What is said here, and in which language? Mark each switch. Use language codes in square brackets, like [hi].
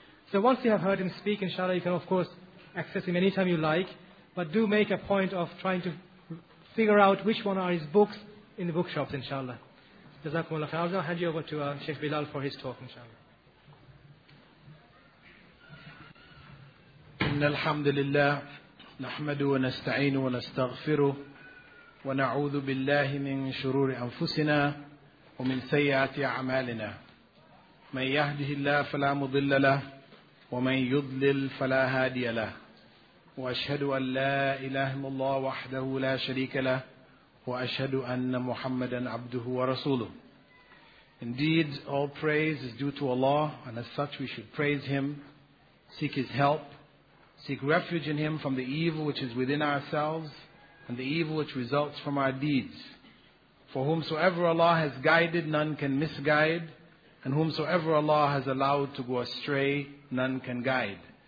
[en] So once you have heard him speak, inshallah, you can, of course, access him anytime you like, but do make a point of trying to figure out which one are his books in the bookshops, inshallah. Jazakum Allah khair. I'll hand you over to Sheikh Bilal for his talk, inshallah. [ar] إن الحمد لله نحمده ونستعينه ونستغفره ونعوذ بالله من شرور أنفسنا ومن سيئات أعمالنا من يهده الله فلا مضل له ومن يضلل فلا هادي له وأشهد أن لا إله إلا الله وحده لا شريك له وأشهد أن محمدا عبده ورسوله. [en] Indeed, all praise is due to Allah, and as such we should praise Him, seek His help, seek refuge in Him from the evil which is within ourselves and the evil which results from our deeds. For whomsoever Allah has guided, none can misguide, and whomsoever Allah has allowed to go astray, none can guide.